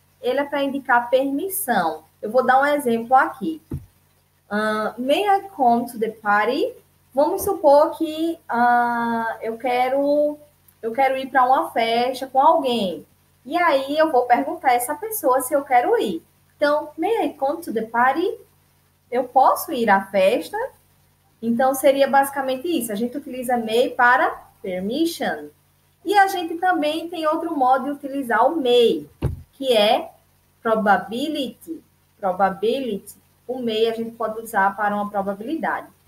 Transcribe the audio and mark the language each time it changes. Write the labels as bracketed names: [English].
[Portuguese] Ele é para indicar permissão. Eu vou dar um exemplo aqui. [English] May I come to the party? [Portuguese] Vamos supor que eu quero ir para uma festa com alguém. E aí eu vou perguntar a essa pessoa se eu quero ir. [English] Então, may I come to the party? [Portuguese] Eu posso ir à festa? Então, seria basicamente isso. A gente utiliza may para permission. E a gente também tem outro modo de utilizar o may, que é probability. Probability. O may a gente pode usar para uma probabilidade.